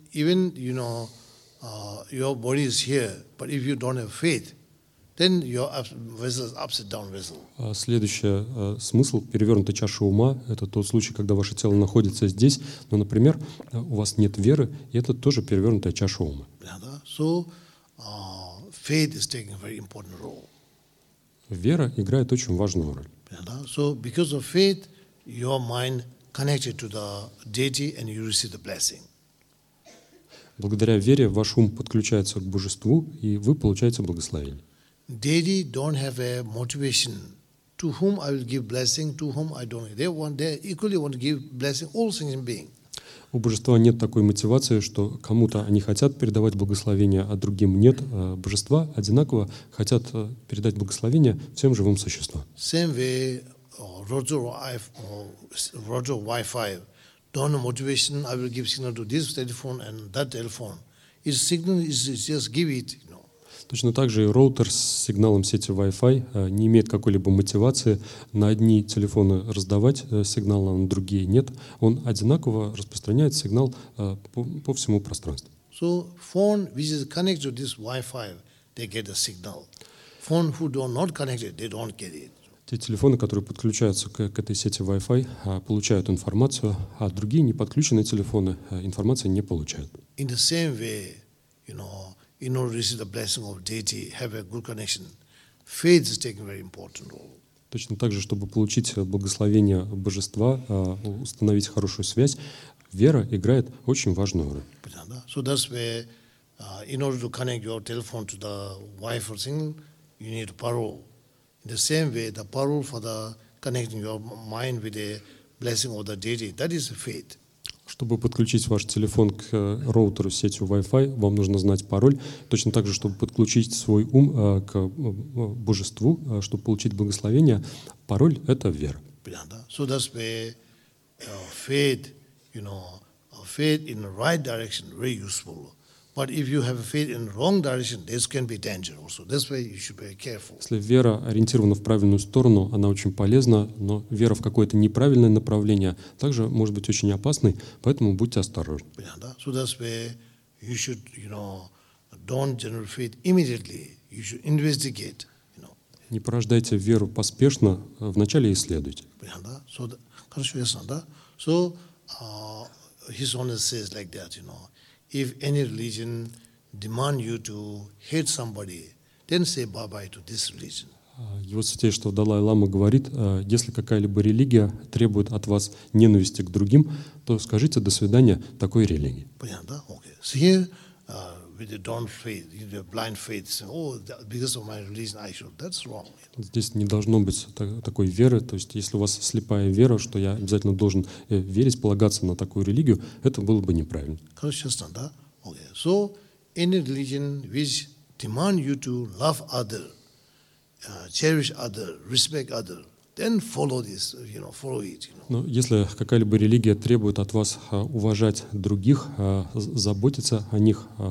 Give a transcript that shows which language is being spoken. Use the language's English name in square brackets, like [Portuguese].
[English] Even you know your body is here, but if you don't have faith, then your vessel is upside down vessel. [Russian] Следующий смысл перевернутой чаши ума – это тот случай, когда ваше тело находится здесь, но, например, у вас нет веры, и это тоже перевернутая чаша ума. [English] Yeah, so faith is taking a very important role. [Russian] Вера играет очень важную роль. [English] Yeah, so because of faith, your mind connected to the deity, and you receive the blessing. [Russian] Благодаря вере ваш ум подключается к божеству, и вы получаете благословение. [English] Deity don't have a motivation to whom I will give blessing, to whom I don't. They equally want to give blessing all sentient beings. [Russian] У божества нет такой мотивации, что кому-то они хотят передавать благословение, а другим нет. Божества одинаково хотят передать благословение всем живым существам. [English] Same way, Roger Wi-Fi. Don't have motivation. I will give signal to this telephone and that telephone. Its signal is just give it. You know. [Russian] Точно так же и роутер с сигналом сети Wi-Fi не имеет какой-либо мотивации на одни телефоны раздавать сигнал, а на другие нет. Он одинаково распространяет сигнал по всему пространству. [English] So phone which is connected to this Wi-Fi, they get a signal. Phone who do not connected, they don't get it. [Russian] Те телефоны, которые подключаются к этой сети Wi-Fi, получают информацию, а другие неподключенные телефоны информации не получают. [English] In the same way, you know, in order to receive the blessing of deity, have a good connection, faith is taking a very important role. [Russian] Точно так же, чтобы получить благословение божества, установить хорошую связь, вера играет очень важную роль. [English] So that's where, in order to connect your telephone to the Wi-Fi signal, you need parole. The same way, the parole for the connecting your mind with the blessing of the deity, that is faith. [Russian] Чтобы подключить ваш телефон к роутеру сети Wi-Fi, вам нужно знать пароль. Точно так же, чтобы подключить свой ум к божеству, чтобы получить благословение, пароль – это вера. Понятно. [English] So that's where faith, you know, faith in the right direction very useful. But if you have faith in wrong direction, this can be dangerous. Also, this way you should be careful. [Russian] Если вера ориентирована в правильную сторону, она очень полезна, но вера в какое-то неправильное направление также может быть очень опасной, поэтому будьте осторожны. [English] Yeah, so that's where you should, you know, don't generate faith immediately. You should investigate. You know. [Russian] Не порождайте веру поспешно, вначале исследуйте. So, хорошо, ясно, да? [English] So, His Holiness says like that, you know, if any religion demand you to hate somebody, then say bye-bye to this religion. [Russian] Его святейшество Далай-Лама говорит, если какая-либо религия требует от вас ненависти к другим, то скажите до свидания такой религии. Понятно, да? Okay. [English] So here, with the don't faith, the blind faith, saying, oh, because of my religion, I should, that's wrong. [Russian] Здесь не должно быть такой веры, то есть если у вас слепая вера, что я обязательно должен верить, полагаться на такую религию, это было бы неправильно. Конечно, да? Okay. [English] So, any religion which demand you to love other, cherish other, respect other, then follow this, you know, follow it. You know. [Russian] Но если какая-либо религия требует от вас уважать других, заботиться о них,